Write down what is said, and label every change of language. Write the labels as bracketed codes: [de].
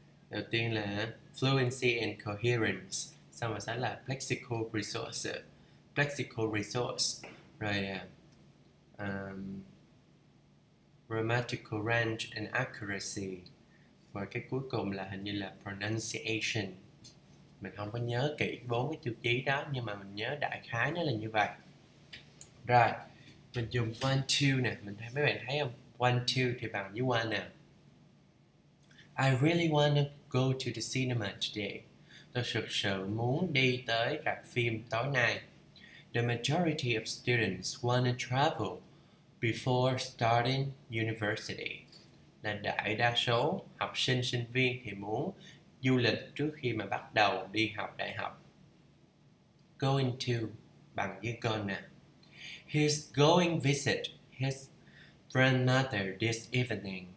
[vi] Đầu tiên là fluency and coherence, xong rồi sẽ là lexical resource, rồi grammatical range and accuracy, và cái cuối cùng là hình như là pronunciation. Mình không có nhớ kỹ bốn cái tiêu chí đó, nhưng mà mình nhớ đại khái nó là như vậy. Rồi, mình dùng one two nè, mình thấy mấy bạn thấy không? One two thì bằng với one nè. [en] I really wanna go to the cinema today. [vi] Tôi thực sự muốn đi tới rạp phim tối nay. [en] The majority of students wanna travel before starting university. [vi] Là đại đa số học sinh sinh viên thì muốn du lịch trước khi mà bắt đầu đi học đại học. [en] Going to [vi] bằng với [en] gonna. He's going visit his grandmother this evening.